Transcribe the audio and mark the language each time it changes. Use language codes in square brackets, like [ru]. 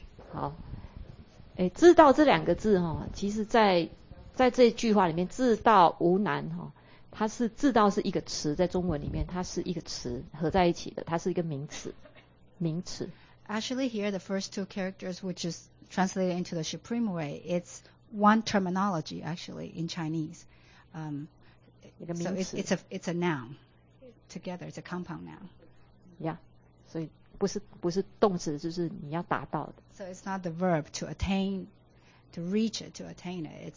[zh] 好，哎，自道这两个字哈，其实在这句话里面，自道无难哈，它是自道是一个词，在中文里面它是一个词合在一起的，它是一个名词，名词。 [en] Actually, here the first two characters, which is translated into the supreme way, it's one terminology actually in Chinese. So it's a noun. Together, it's a compound noun. Yeah. [zh] 所以不是动词，就是你要达到的。 [en] So it's not the verb to attain, to reach it, to attain it.